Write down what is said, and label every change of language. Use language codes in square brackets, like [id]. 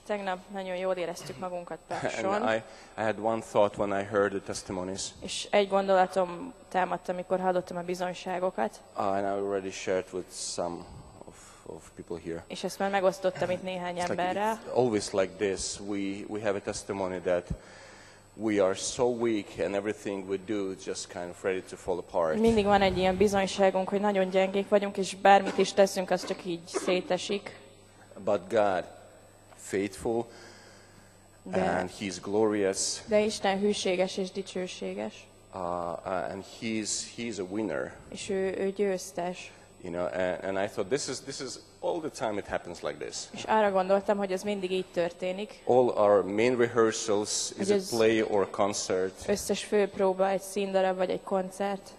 [hu] Tegnap nagyon jól éreztük magunkat Pakson. [en] And I had one thought when I heard the testimonies. [hu] És egy gondolatom támadt, amikor hallottam a bizonyságokat. [en] And I already shared with some of people here. [hu] És ezt már megosztottam itt néhány emberrel. [en] It's always like this. We have a testimony that we are so weak and everything we do is just kind of ready to fall apart. [hu] Mindig van egy ilyen bizonyságunk, hogy nagyon gyengék vagyunk, és bármit is teszünk, az csak így szétesik. [en] But God faithful and he's glorious. [hu] De Isten hűséges és dicsőséges. [en] And he's a winner. [hu] És ő győztes. [en] You know, and I thought this is all the time it happens like this. [hu] És arra gondoltam, hogy ez mindig így történik. [en] All our main rehearsals is a play or a concert. [hu] Összes fő próba egy színdarab vagy egy koncert.